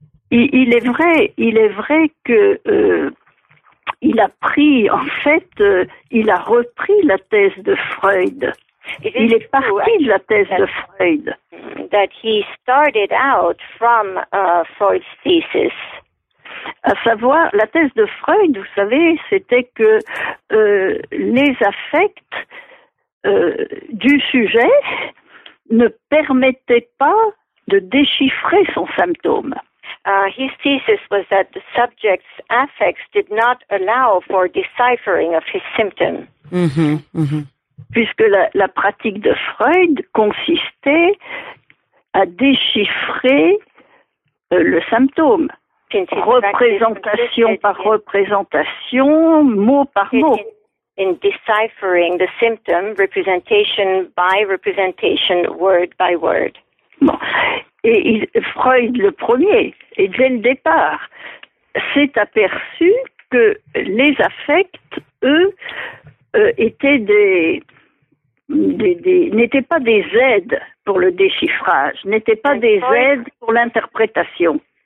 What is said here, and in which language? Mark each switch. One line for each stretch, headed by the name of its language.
French: Il est vrai que il a pris, en fait, il a repris la thèse de Freud. Il est parti de la thèse de Freud.
English: That he started out from Freud's thesis.
French: À savoir, la thèse de Freud, vous savez, c'était que les affects du sujet ne permettaient pas de déchiffrer son symptôme.
English: His thesis was that the subject's affects did not allow for deciphering of his symptom.
French: Puisque la pratique de Freud consistait à déchiffrer le symptôme. Représentation par représentation, mot par mot.
English: In deciphering the symptom, representation by representation, word by word.
French: Bon. Et Freud, le premier, et dès le départ, s'est aperçu que les affects, eux, étaient n'étaient pas des aides pour le déchiffrage, n'étaient pas des aides pour l'interprétation.